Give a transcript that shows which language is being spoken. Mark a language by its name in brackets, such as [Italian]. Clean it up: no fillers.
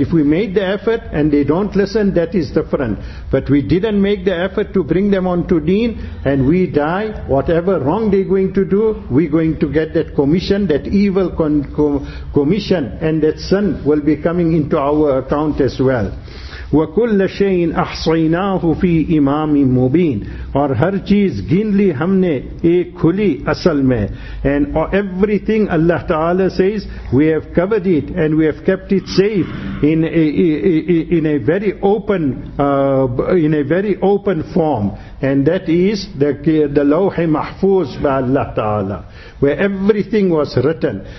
[English] If we made the effort and they don't listen, that is different. But we didn't make the effort to bring them onto deen, and we die, whatever wrong they're going to do, we're going to get that commission, that evil commission, and that sin will be coming into our account as well. [Arabic] وَكُلَّ شَيْءٍ أَحْصَيْنَاهُ فِي إِمَامٍ مُبِينٍ [Urdu] اور ہر چیز گن لی ہم نے ایک کھلی اصل میں. [English] And everything, Allah Ta'ala says, we have covered it and we have kept it safe in a very open form. And that is the Lawh-e Mahfooz by Allah Ta'ala, where everything was written.